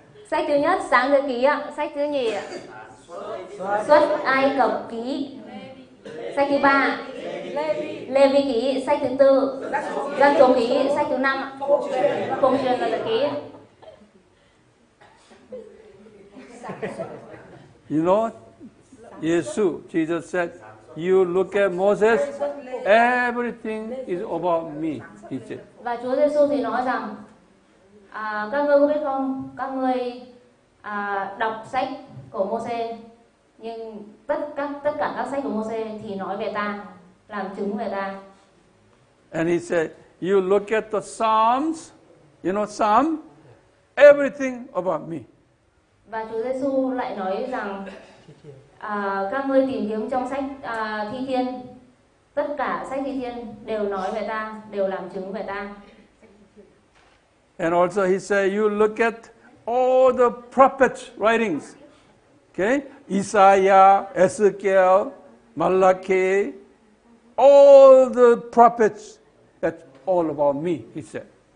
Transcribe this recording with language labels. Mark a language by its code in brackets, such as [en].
[vi] Sách thứ nhất Sáng Thế Ký ạ. Sách thứ nhì ạ. Xuất Ai Cập Ký. Sách thứ ba Lê Vi Ký. Sách thứ tư Dân Số Ký. Sách thứ năm Phục Truyền Lần Bệnh Ký. [en] You know, Jesus said, you look at Moses, everything is about me, he said. [vi] Và Chúa Giê-xu thì nói rằng, các ngươi có biết không, các ngươi đọc sách của Mô-xê, nhưng tất cả các sách của Mô-xê thì nói về ta, làm chứng về ta. [en] And he said, you look at the Psalms, you know Psalm, everything about me. [vi] Và Chúa Giê-xu lại nói rằng, các ngươi tìm kiếm trong sách thi thiên, tất cả sách thi thiên đều nói về ta, đều làm chứng về ta. [en] And also he said, you look at all the prophets' writings, okay? Isaiah, Ezekiel, Malachi, all the prophets, that's all about me, he said.